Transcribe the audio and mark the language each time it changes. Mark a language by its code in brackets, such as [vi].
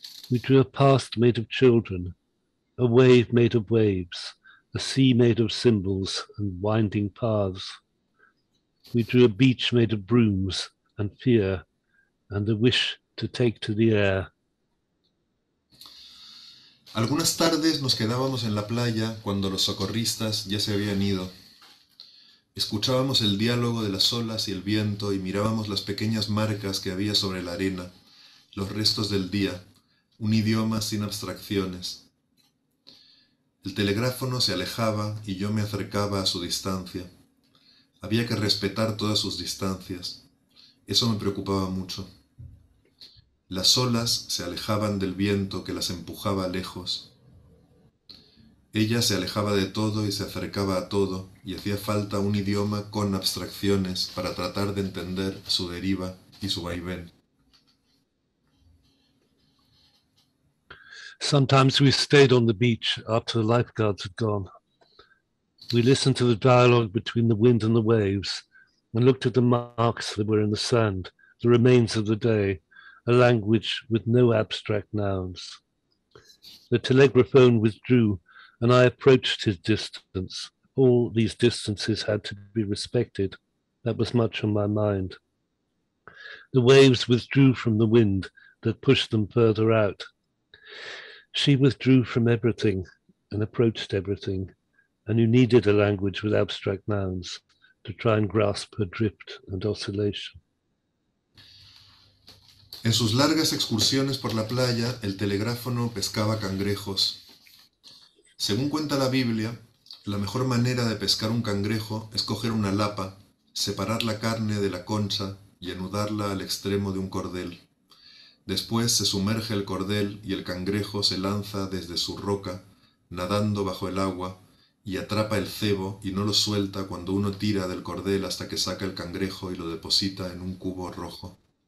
[en] We drew a past made of children, a wave made of waves, a sea made of symbols and winding paths. We drew a beach made of brooms and fear and the wish to take to the air. [es] Algunas tardes nos quedábamos en la playa cuando los socorristas ya se habían ido. Escuchábamos el diálogo de las olas y el viento y mirábamos las pequeñas marcas que había sobre la arena, los restos del día, un idioma sin abstracciones. El telegráfono se alejaba y yo me acercaba a su distancia. Había que respetar todas sus distancias. Eso me preocupaba mucho. Las olas se alejaban del viento que las empujaba lejos. Ella se alejaba de todo y se acercaba a todo, y hacía falta un idioma con abstracciones para tratar de entender su deriva y su vaivén. [en] Sometimes we stayed on the beach after the lifeguards had gone. We listened to the dialogue between the wind and the waves and looked at the marks that were in the sand, the remains of the day, a language with no abstract nouns. The telegraphone withdrew and I approached his distance. All these distances had to be respected. That was much on my mind. The waves withdrew from the wind that pushed them further out. She withdrew from everything and approached everything, and you needed a language with abstract nouns to try and grasp her drift and oscillation. [es] En sus largas excursiones por la playa, el telegráfono pescaba cangrejos. Según cuenta la Biblia, la mejor manera de pescar un cangrejo es coger una lapa, separar la carne de la concha y anudarla al extremo de un cordel. Después se sumerge el cordel y el cangrejo se lanza desde su roca, nadando bajo el agua, y atrapa el cebo y no lo suelta cuando uno tira del cordel hasta que saca el cangrejo y lo deposita en un cubo rojo.